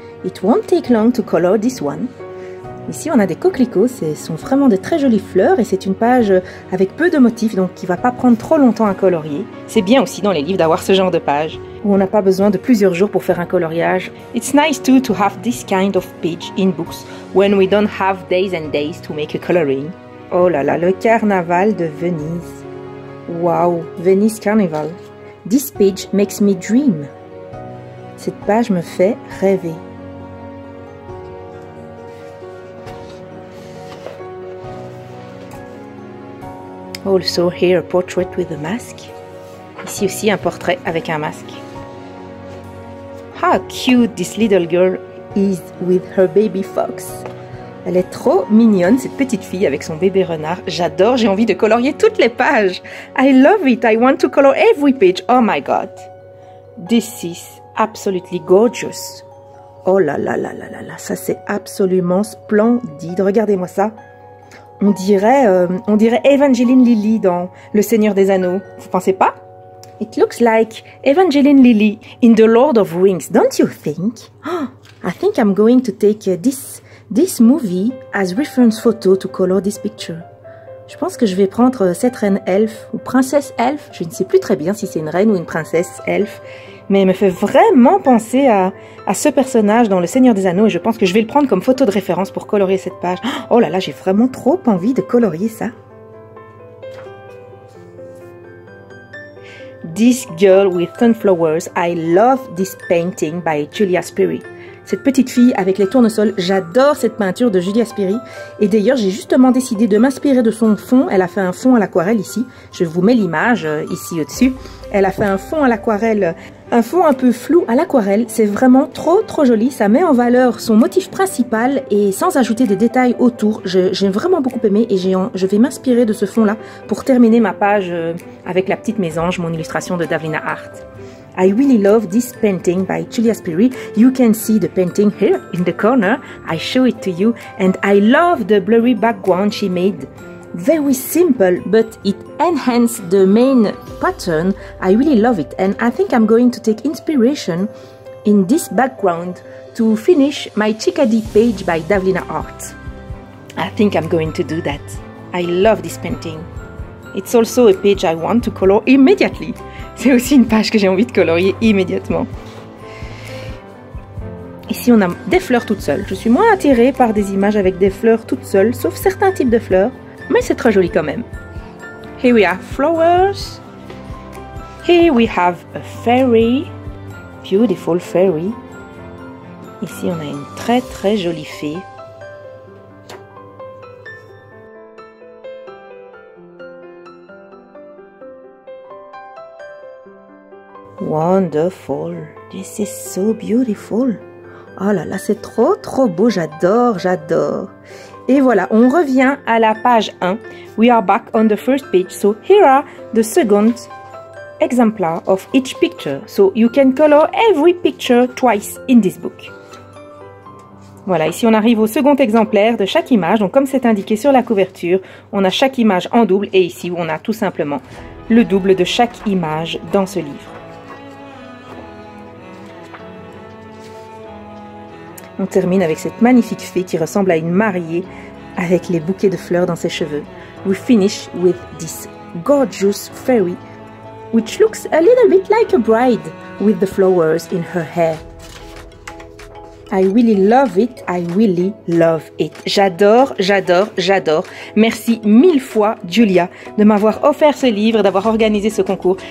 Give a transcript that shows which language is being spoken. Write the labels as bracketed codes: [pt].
[en] It won't take long to color this one. [fr] Ici, on a des coquelicots. Ce sont vraiment de très jolies fleurs et c'est une page avec peu de motifs, donc qui ne va pas prendre trop longtemps à colorier. C'est bien aussi dans les livres d'avoir ce genre de page où on n'a pas besoin de plusieurs jours pour faire un coloriage. [en] It's nice too to have this kind of page in books when we don't have days and days to make a coloring. [fr] Oh là là, le carnaval de Venise. [en] Wow, Venice Carnival. This page makes me dream. [fr] Cette page me fait rêver. [en] Also here a portrait with a mask. [fr] Ici aussi un portrait avec un masque. [en] How cute this little girl is with her baby fox. [fr] Elle est trop mignonne, cette petite fille avec son bébé renard. J'adore, j'ai envie de colorier toutes les pages. [en] I love it, I want to color every page. Oh my god. This is absolutely gorgeous. [fr] Oh là là là là là là, ça c'est absolument splendide. Regardez-moi ça. On dirait Evangeline Lilly dans Le Seigneur des Anneaux. Vous pensez pas? [en] It looks like Evangeline Lilly in The Lord of Rings, don't you think? Oh, I think I'm going to take this movie as reference photo to color this picture. [fr] Je pense que je vais prendre cette reine elfe ou princesse elfe. Je ne sais plus très bien si c'est une reine ou une princesse elfe. Mais elle me fait vraiment penser à ce personnage dans Le Seigneur des Anneaux. Et je pense que je vais le prendre comme photo de référence pour colorier cette page. Oh là là, j'ai vraiment trop envie de colorier ça. [en] This girl with sunflowers, I love this painting by Julia Spiri. [fr] Cette petite fille avec les tournesols, j'adore cette peinture de Julia Spiri. Et d'ailleurs, j'ai justement décidé de m'inspirer de son fond. Elle a fait un fond à l'aquarelle ici. Je vous mets l'image ici au-dessus. Elle a fait un fond à l'aquarelle, un fond un peu flou à l'aquarelle. C'est vraiment trop trop joli. Ça met en valeur son motif principal et sans ajouter des détails autour. J'ai vraiment beaucoup aimé et je vais m'inspirer de ce fond-là pour terminer ma page avec la petite mésange, mon illustration de Davina Hart. [en] I really love this painting by Julia Spiri. You can see the painting here in the corner. I show it to you. And I love the blurry background she made. Very simple, but it enhanced the main pattern. I really love it. And I think I'm going to take inspiration in this background to finish my chickadee page by Davina Hart. I think I'm going to do that. I love this painting. It's also a page I want to color immediately. [fr] C'est aussi une page que j'ai envie de colorier immédiatement. Ici, on a des fleurs toutes seules. Je suis moins attirée par des images avec des fleurs toutes seules, sauf certains types de fleurs, mais c'est très joli quand même. [en] Here we have flowers. Here we have a fairy. Beautiful fairy. [fr] Ici, on a une très très jolie fée. [en] Wonderful. This is so beautiful. [fr] Oh là là, c'est trop trop beau. J'adore, j'adore. Et voilà, on revient à la page 1. [en] We are back on the first page. So here are the second exemplar of each picture. So you can color every picture twice in this book. [fr] Voilà, ici on arrive au second exemplaire de chaque image. Donc comme c'est indiqué sur la couverture, on a chaque image en double. Et ici, on a tout simplement le double de chaque image dans ce livre. On termine avec cette magnifique fée qui ressemble à une mariée avec les bouquets de fleurs dans ses cheveux. [en] We finish with this gorgeous fairy, which looks a little bit like a bride with the flowers in her hair. I really love it, I really love it. [fr] J'adore, j'adore, j'adore. Merci mille fois, Julia, de m'avoir offert ce livre, d'avoir organisé ce concours.